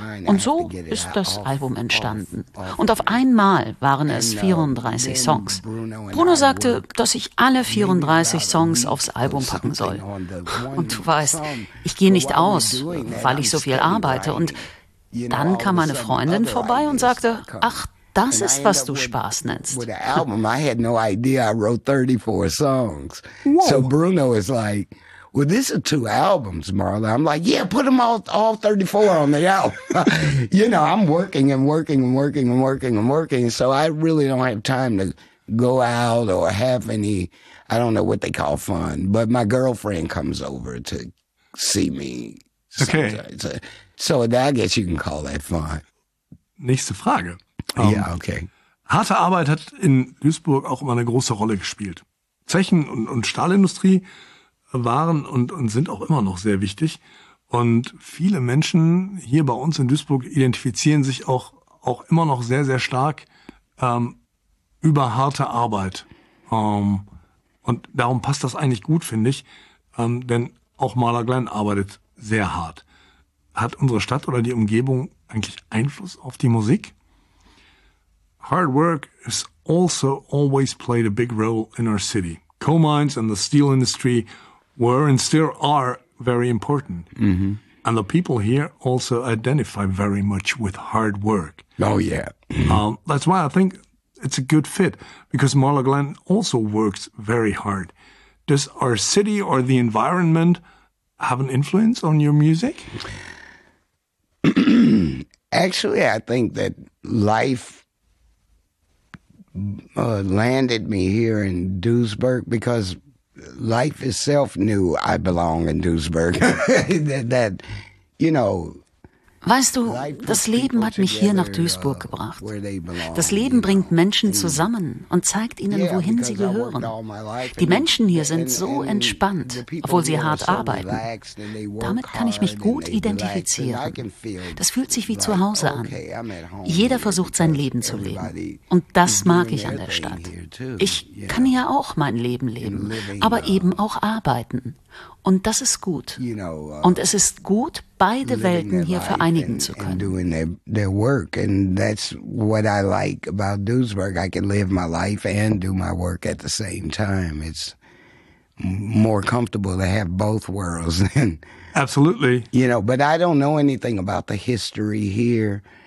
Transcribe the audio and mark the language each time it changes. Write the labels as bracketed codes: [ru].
[de] Und so ist das Album entstanden. Und auf einmal waren es 34 Songs. Bruno sagte, dass ich alle 34 Songs aufs Album packen soll. Und du weißt, ich gehe nicht aus, weil ich so viel arbeite. Und dann kam meine Freundin vorbei und sagte, ach, das ist, was du Spaß nennst. [en] With an album, I had no idea I wrote 34 songs. Whoa. So Bruno is like, well, this is two albums, Marla. I'm like, yeah, put them all 34 on the album. You know, I'm working and working and working and working and working, so I really don't have time to go out or have any, I don't know what they call fun, but my girlfriend comes over to see me. Sometimes. Okay. So I guess you can call that fun. [de] Nächste Frage. [en] Okay. [de] Harte Arbeit hat in Duisburg auch immer eine große Rolle gespielt. Zechen- und Stahlindustrie waren und sind auch immer noch sehr wichtig. Und viele Menschen hier bei uns in Duisburg identifizieren sich auch immer noch sehr, sehr stark über harte Arbeit. Und darum passt das eigentlich gut, finde ich. Denn auch Marla Glenn arbeitet sehr hart. Hat unsere Stadt oder die Umgebung eigentlich Einfluss auf die Musik? [en] Hard work has also always played a big role in our city. coal mines and the steel industry were and still are very important. Mm-hmm. And the people here also identify very much with hard work. Oh, yeah. That's why I think it's a good fit, because Marla Glen also works very hard. Does our city or the environment have an influence on your music? Actually, I think that life landed me here in Duisburg because life itself knew I belong in Duisburg. that, you know. [de] Weißt du, das Leben hat mich hier nach Duisburg gebracht. Das Leben bringt Menschen zusammen und zeigt ihnen, wohin sie gehören. Die Menschen hier sind so entspannt, obwohl sie hart arbeiten. Damit kann ich mich gut identifizieren. Das fühlt sich wie zu Hause an. Jeder versucht, sein Leben zu leben. Und das mag ich an der Stadt. Ich kann ja auch mein Leben leben, aber eben auch arbeiten. Und das ist gut. Und es ist gut, beide Welten hier vereinigen zu können. [en] And doing their work. And that's what I like about Duisburg. I can live my life and do my work at the same time. It's more comfortable to have both worlds. Than, absolutely. You know, but I don't know anything about the history here.